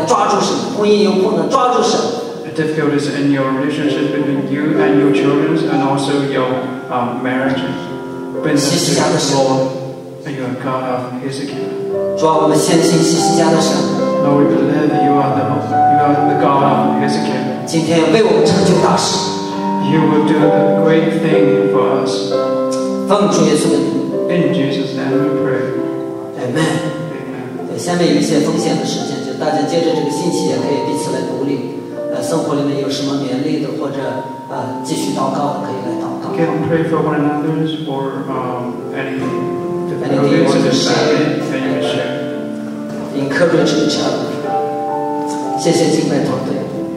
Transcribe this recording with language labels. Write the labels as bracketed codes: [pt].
[zh] 孩子有困难，亲子关系有困难，都来抓住神。婚姻有困难，抓住神。 [en] The difficulties in your relationship between you and your children, and also your marriage, bring them to the Lord. And you are God of Ezekiel. [zh] 主啊，我们相信西西家的神。 [en] Lord, we believe you are the Lord. You are the God of Ezekiel. [zh] 今天为我们成就大事。 [en] You will do a great thing for us. [zh] 奉主耶稣的名。 [en] In Jesus' name we pray. Amen. Amen. [zh] 下面有一些奉献的时间，就大家借着这个信息，也可以彼此来鼓励。生活里面有什么勉励的，或者继续祷告的，可以来祷告。 [en] Can we pray for one another for anything? Encourage each other. [zh] 谢谢敬拜团队。